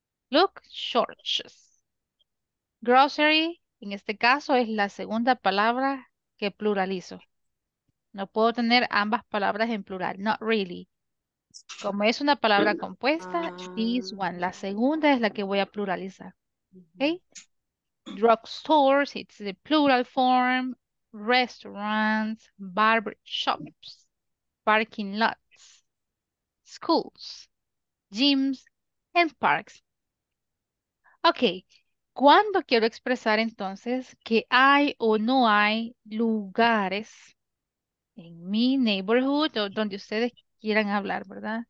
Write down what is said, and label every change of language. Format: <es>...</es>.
<en>Look, churches.</en> <es>Grocery, en este caso, es la segunda palabra que pluralizo. No puedo tener ambas palabras en plural.</es> <en>Not really.</en> <es>Como es una palabra compuesta,</es> <en>this one.</en> <es>La segunda es la que voy a pluralizar.</es> <en>Okay? Drugstores, it's the plural form. Restaurants, barber shops, parking lots, schools, gyms, and parks.</en> <es>Okay, ¿cuándo quiero expresar entonces que hay o no hay lugares en mi neighborhood o donde ustedes quieran hablar, verdad?</es>